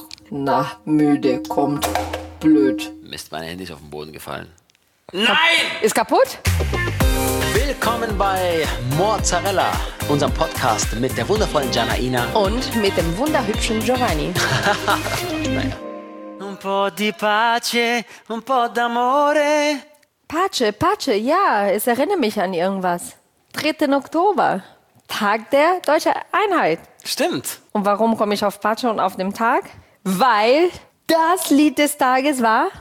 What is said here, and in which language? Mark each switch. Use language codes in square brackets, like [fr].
[de] Na, müde, kommt. Blöd. Mist, mein Handy ist auf den Boden gefallen. Nein! Ist kaputt? Willkommen bei Mozzarella, unserem Podcast mit der wundervollen Janaina. Und mit dem wunderhübschen Giovanni. [it] Un po' di pace, un po' d'amore. [de] Pace, Pace, ja, es erinnert mich an irgendwas. 3. Oktober, Tag der Deutschen Einheit. Stimmt. Und warum komme ich auf Pace und auf den Tag? Weil das Lied des Tages war...